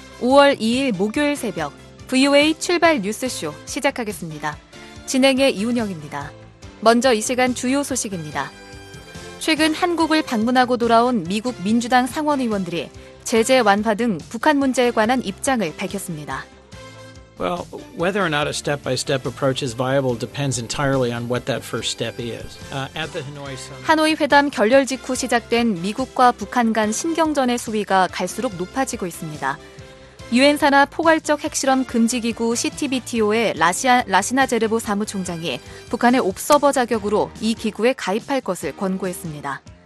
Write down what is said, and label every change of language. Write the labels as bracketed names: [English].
[Korean] 5월 2일 목요일 새벽 VOA 출발 뉴스쇼 시작하겠습니다. 진행의 이운영입니다. 먼저 이 시간 주요 소식입니다. 최근 한국을 방문하고 돌아온 미국 민주당 상원 의원들이 제재 완화 등 북한 문제에 관한 입장을 밝혔습니다. [English] Well, whether or not a step-by-step approach is viable depends entirely on what that first step is. At the Hanoi summit, [Korean] 하노이 회담 결렬 직후 시작된 미국과 북한 간 신경전의 수위가 갈수록 높아지고 있습니다. 유엔산하 포괄적 핵실험 금지기구 CTBTO의 라시나 제르보 사무총장이 북한의 옵서버 자격으로 이 기구에 가입할 것을 권고했습니다.